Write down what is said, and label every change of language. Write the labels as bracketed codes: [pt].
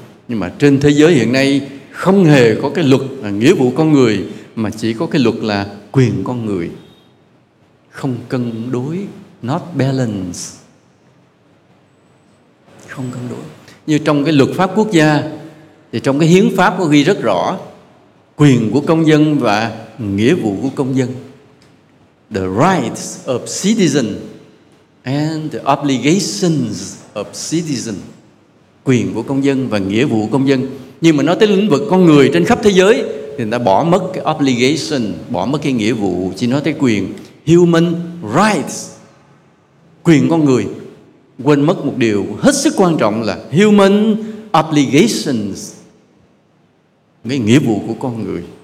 [vi] Nhưng mà trên thế giới hiện nay không hề có cái luật là nghĩa vụ con người, mà chỉ có cái luật là quyền con người. Không cân đối. [en] Not balance. [vi] Không cân đối. Như trong cái luật pháp quốc gia thì trong cái hiến pháp có ghi rất rõ quyền của công dân và nghĩa vụ của công dân. [en] The rights of citizen and the obligations of citizen. [vi] Quyền của công dân và nghĩa vụ của công dân. Nhưng mà nói tới lĩnh vực con người trên khắp thế giới thì người ta bỏ mất cái obligation, bỏ mất cái nghĩa vụ, chỉ nói tới quyền. [en] Human rights, [vi] quyền con người. Quên mất một điều hết sức quan trọng là [en] human obligations, [vi] cái nghĩa vụ của con người.